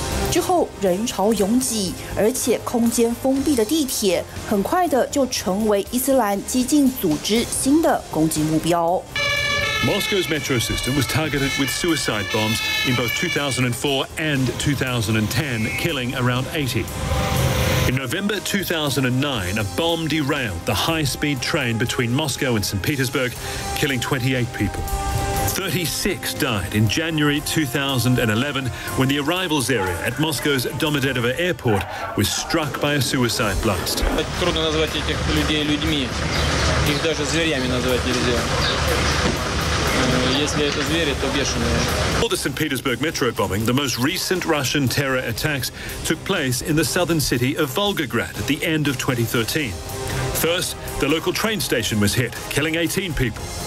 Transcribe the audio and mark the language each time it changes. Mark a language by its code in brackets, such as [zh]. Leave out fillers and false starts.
[zh] 之后人潮拥挤，而且空间封闭的地铁很快的就成为伊斯兰激进组织新的攻击目标。 [en] Moscow's metro system was targeted with suicide bombs in both 2004 and 2010, killing around 80. In November 2009, a bomb derailed the high-speed train between Moscow and St. Petersburg, killing 28 people. 36 died in January 2011 when the arrivals area at Moscow's Domodedovo Airport was struck by a suicide blast. [ru] Трудно назвать этих людей людьми. Их даже зверями назвать нельзя. Если это звери, то бешеные. [en] For the St. Petersburg metro bombing, the most recent Russian terror attacks took place in the southern city of Volgograd at the end of 2013. First, the local train station was hit, killing 18 people.